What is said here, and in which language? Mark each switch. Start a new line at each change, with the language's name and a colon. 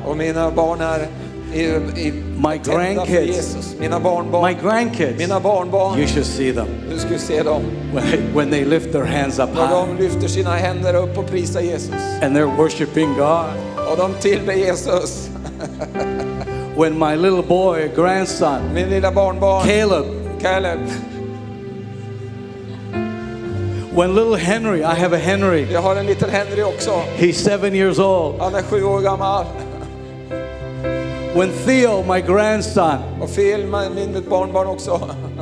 Swedish: Och mina barn är
English: my grandkids,
Swedish: mina barnbarn,
English: my grandkids,
Swedish: mina barnbarn,
English: you should see them.
Swedish: Du ska se dem.
English: When they lift their hands up high.
Swedish: När de lyfter sina händer upp och prisar Jesus.
English: And they're worshiping God.
Swedish: Och de tillber Jesus.
English: When my little boy, grandson,
Swedish: min lilla barnbarn, Caleb.
English: When little Henry, I have a Henry.
Swedish: Jag har en liten Henry också.
English: He's 7 years old.
Swedish: Han är 7 år gammal.
English: When Theo, my grandson,
Swedish: och Phil, min barnbarn också.